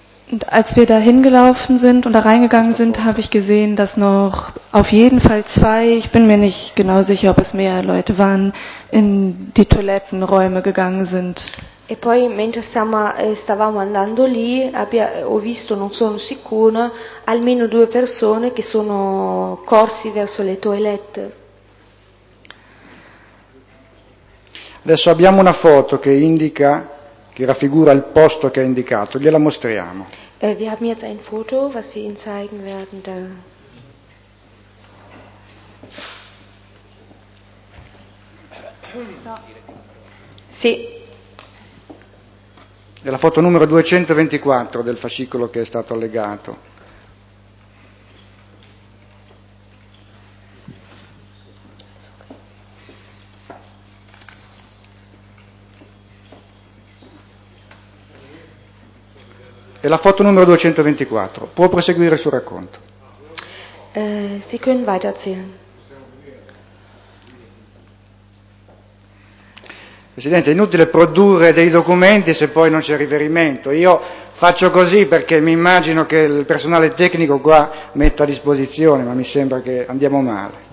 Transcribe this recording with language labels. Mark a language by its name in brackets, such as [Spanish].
[German] Und als wir da hingelaufen sind und da reingegangen sind, habe ich gesehen, dass noch auf jeden Fall zwei, ich bin mir nicht genau sicher, ob es mehr Leute waren, in die Toilettenräume gegangen sind. [Italian] E poi mentre stavamo andando lì, ho visto, non sono sicura, almeno due persone che sono corsi verso le toilette. Adesso abbiamo una foto che indica, che raffigura il posto che ha indicato, gliela mostriamo. [German] Wir haben jetzt ein Foto, was wir Ihnen zeigen werden. Da. [Italian] Sì. È la foto numero 224 del fascicolo che è stato allegato. È la foto numero 224. Può proseguire il suo racconto. [German] Sie können weiterziehen. [Italian] Presidente, è inutile produrre dei documenti se poi non c'è riferimento. Io faccio così perché mi immagino che il personale tecnico qua metta a disposizione, ma mi sembra che andiamo male.